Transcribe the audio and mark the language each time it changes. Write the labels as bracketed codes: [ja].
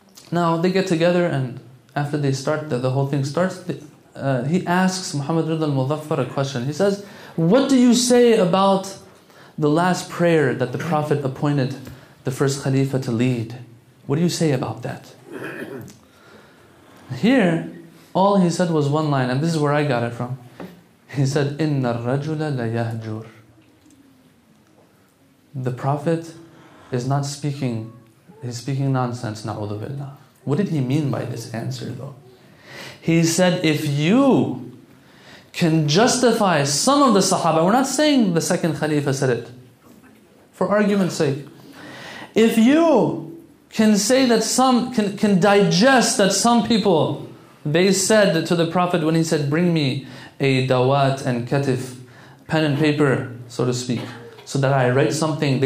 [en] Now they get together, and after they start, the whole thing starts, he asks Muhammad Rida al-Mudaffar a question. He says, what do you say about the last prayer that the Prophet appointed the first Khalifa to lead? What do you say about that? Here, all he said was one line, and this is where I got it from. [ar] He said, إِنَّ الرَّجُلَ لَيَهْجُرُ. [en] The Prophet is not speaking, he's speaking nonsense, na'udhu billah. What did he mean by this answer though? He said, if you can justify some of the Sahaba, we're not saying the second Khalifa said it, for argument's sake, if you can say that some, can digest that some people, they said to the Prophet when he said, bring me a dawat and katif, pen and paper, so to speak, so that I write something.